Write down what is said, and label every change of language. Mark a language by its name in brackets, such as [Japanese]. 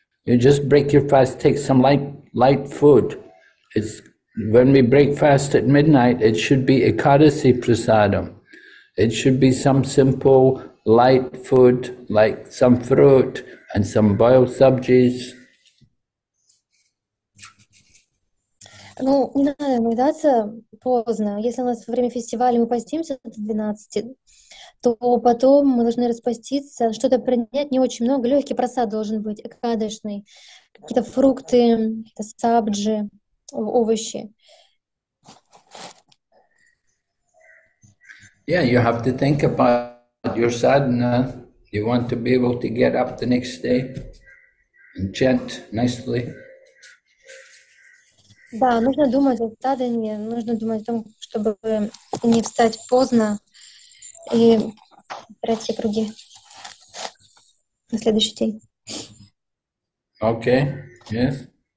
[English] You just break your fast, take some light food. It's when we break fast at midnight, it should be ekadasi prasadam. It should be some simple light food, like some fruit and some boiled sabjis. [Russian] Ну, не надо наедаться поздно. Если у нас во время фестиваля мы постимся до 12, то потом мы должны распаститься, что-то принять не очень много. Легкий просад должен быть, экадышный. Какие-то фрукты, сабджи, овощи. [English] Yeah, you have to think about your sadhana. You want to be able to get up the next day and chant nicely. [Russian] Да, нужно думать о садхане, нужно думать о том, чтобы не встать поздно и брать все круги на следующий день. [English] Окей, okay. Yes.